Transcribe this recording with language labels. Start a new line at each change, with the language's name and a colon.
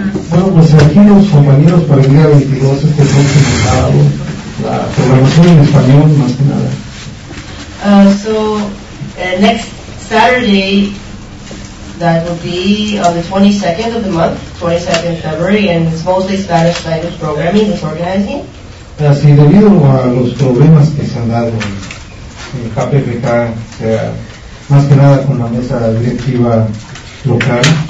Spanish: Bueno, pues aquí los compañeros para el día 22 es que son presentados la programación en español más que nada.
English: Next Saturday, that will be on the 22nd of the month, 22nd February, and it's mostly Spanish language programming that's organizing.
Spanish: Así, debido a los problemas que se han dado en KPPK, o sea, más que nada con la mesa directiva local.